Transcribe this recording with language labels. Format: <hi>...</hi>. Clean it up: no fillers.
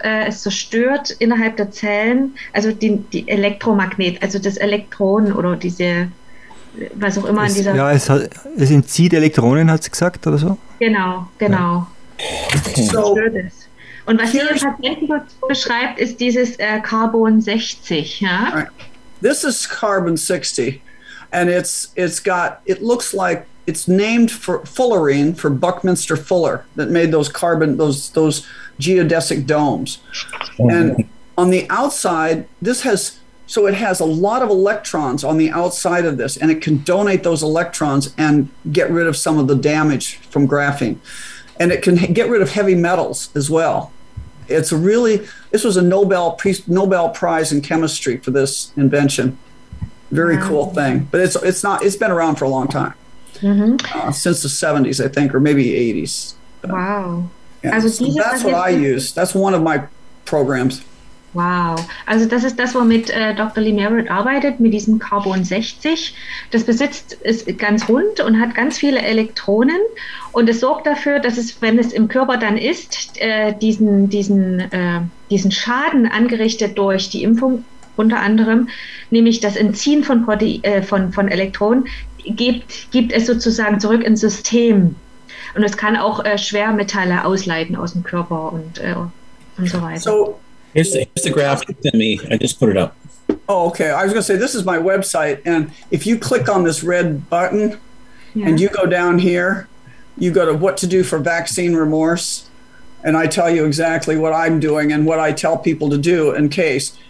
<de>Es zerstört innerhalb der Zellen, also die Elektromagnet, also das Elektron oder diese, was auch immer es, in dieser... Ja, es entzieht Elektronen, hat sie gesagt, oder so? Genau, genau. Ja. Okay. Zerstört es. Und was sie im Patienten beschreibt, ist dieses Carbon 60. Ja?</de> <en>This is Carbon 60. And it looks like it's named for fullerene, for Buckminster Fuller, that made those carbon, those geodesic domes. Mm-hmm. And on the outside, it has a lot of electrons on the outside of this, and it can donate those electrons and get rid of some of the damage from graphene. And it can get rid of heavy metals as well. It's really, this was a Nobel Prize in chemistry for this invention. Very cool thing. But it's been around for a long time. Mm-hmm. Since the 70s, I think, or maybe 80s. Wow. Yeah. Also so that's what I use. That's one of my programs. Wow.</en> <de>Also das ist das, womit Dr. Lee Merritt arbeitet, mit diesem Carbon 60. Das besitzt, ist ganz rund und hat ganz viele Elektronen. Und es sorgt dafür, dass es, wenn es im Körper dann ist, diesen Schaden angerichtet durch die Impfung, unter anderem, nämlich das Entziehen von Elektronen, gibt es sozusagen zurück ins System. Und es kann auch Schwermetalle ausleiten aus dem Körper und so weiter.</de> <en>So, here's the graph you sent me. I just put it up. Oh, okay. I was going to say, this is my website. And if you click on this red button and you go down here, you go to what to do for vaccine remorse. And I tell you exactly what I'm doing and what I tell people to do in case.</en>